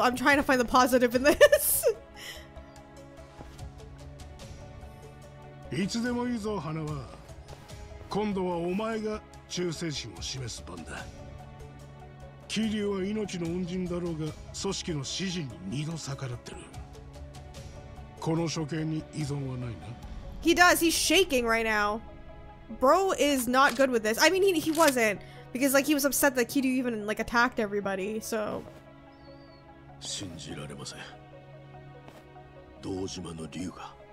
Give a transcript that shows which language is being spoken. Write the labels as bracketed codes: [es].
[en] I'm trying to find the positive in this. [ja] いつでもいいぞ、花は。今度はお前が忠誠心を示す番だ。キリュウは命の恩人だろうが、組織の指示に二度逆らってる。この処刑に依存はないな。 [en] He does. He's shaking right now. Bro is not good with this. I mean, he wasn't, because like he was upset that Kiryu even like attacked everybody. So. [ja] 信じられません。道島の竜が。